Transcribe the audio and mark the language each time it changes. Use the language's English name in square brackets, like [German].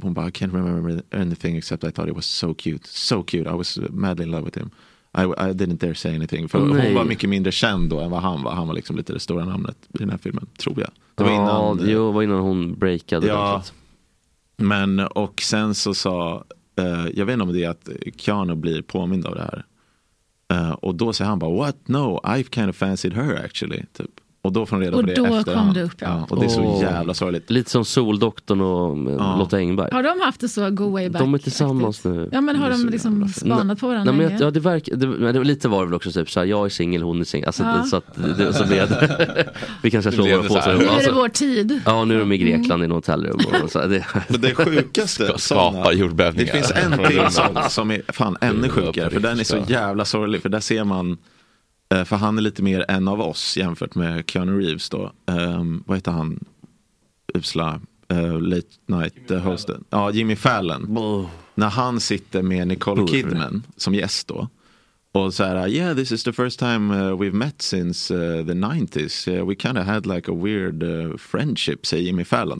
[Swedish] Hon bara, [English] I can't remember anything except I thought it was so cute, so cute, I was madly in love with him, I didn't dare say anything. [Swedish] För hon var mycket mindre känd då än vad han var. Han var liksom lite det stora namnet i den här filmen, tror jag. Det var innan, jo, det var innan hon breakade. Ja, men och sen så sa jag vet inte om det är att Keanu blir påmind av det här. Och då säger han bara, [English] what? No, I've kind of fancied her actually. [Swedish] Typ. Och då får reda och på det efterhand. Och då kom det upp. Ja. Ja, och det är så jävla sorgligt. Lite som Soldoktorn och Lotta Engberg. Har de haft det så [English] go way back? [Swedish] De är tillsammans nu. Ja, men har de liksom spanat på varandra? Nej, men jag, ja, lite var det väl också typ såhär, jag är singel, hon är singel. Alltså, så att det så blev det. Vi kanske slår våra påsar. Nu är det vår tid. Ja, nu är de i Grekland i något hotellrum. Och så, det. Men det sjukaste, skapa jordbävningar. Det finns en till som är fan ännu sjukare. För den är så jävla sorglig. För där ser man... För han är lite mer en av oss jämfört med Keanu Reeves då. Vad heter han? Usla late night hosten. Ja, Jimmy Fallon. Oh. När han sitter med Nicole Kidman som gäst då. Och så här, [English] yeah, this is the first time we've met since the 90s. We kind of had like a weird friendship, [Swedish] säger Jimmy Fallon.